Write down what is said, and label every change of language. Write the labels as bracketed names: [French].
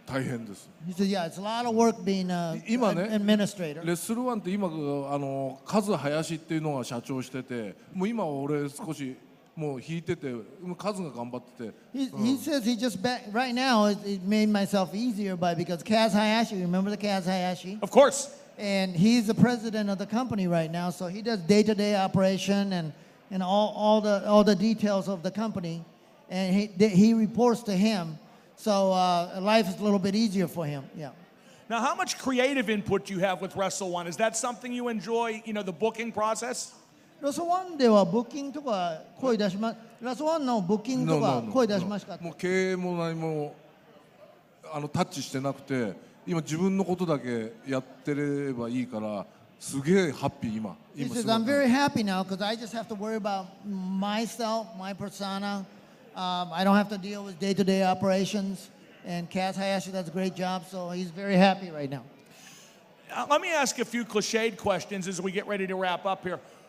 [Japanese] 大変です [English] He said, yeah, it's a lot of work being an administrator. [Japanese] レッスルワンって今あのカズ林っていうのが社長しててもう今俺少しもう引いててカズが頑張ってて [English] He says he just back right now it made myself easier by because Kaz Hayashi, remember the Kaz Hayashi? Of course! And he's the president of the company right now, so he does day-to-day operation and all the details of the company, and he reports to him, so life is a little bit easier for him. Yeah. Now, how much creative input do you have with Wrestle One? Is that something you enjoy? You know, the booking process. [Japanese] Wrestle One ではブッキングとか声出しま Wrestle One のブッキングとか声出しましたか？もう経営も何もあのタッチしてなくて。今自分のことだけやってればいいからすげえハッピー今 [English] He says I'm very happy now because I just have to worry about myself, my persona. I don't have to deal with day-to-day operations. And Kaz Hayashi does a great job, so he's very happy right now. Let me ask a few cliched questions as we get ready to wrap up here.